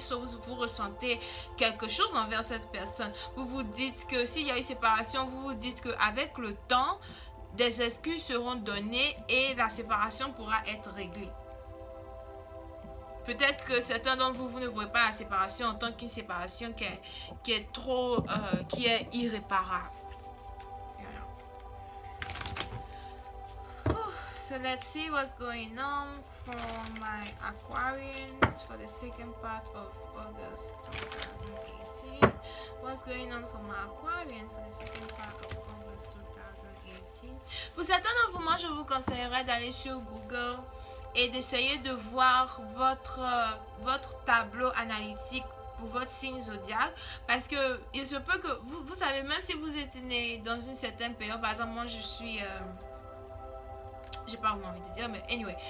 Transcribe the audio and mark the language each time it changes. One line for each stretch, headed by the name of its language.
French: Sauf que vous ressentez quelque chose envers cette personne, vous vous dites que s'il y a eu séparation, vous vous dites que avec le temps des excuses seront données et la séparation pourra être réglée. Peut-être que certains d'entre vous, vous ne voyez pas la séparation en tant qu'une séparation qui est trop qui est irréparable.
English: So let's see what's going on for my Aquarians for the second part of August 2018. What's going on for my Aquarian for the second part of August 2018?
French: Pour certains d'entre vous, moi, je vous conseillerais d'aller sur Google et d'essayer de voir votre tableau analytique pour votre signe zodiaque, parce que il se peut que vous savez, même si vous êtes né dans une certaine période, par exemple, moi, je suis j'ai pas vraiment envie de dire, mais anyway.